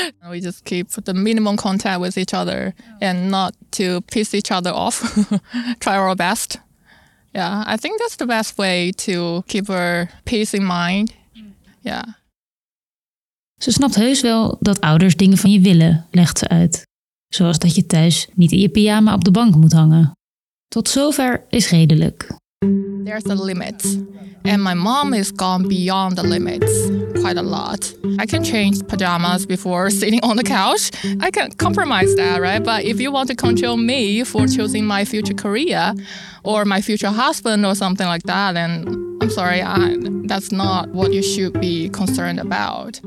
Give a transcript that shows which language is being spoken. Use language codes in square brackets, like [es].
[en] We just keep the minimum contact with each other and not to piss each other off. Try our best. Yeah, I think that's the best way to keep her peace in mind. Yeah. [nl] Ze snapt heus wel dat ouders dingen van je willen, legt ze uit. Zoals dat je thuis niet in je pyjama op de bank moet hangen. Tot zover is redelijk. [en] There's a limit. And my mom is gone beyond the limits quite a lot. I can change pajamas before sitting on the couch. I can compromise that, right? But if you want to control me for choosing my future career or my future husband or something like that, then I'm sorry, that's not what you should be concerned about.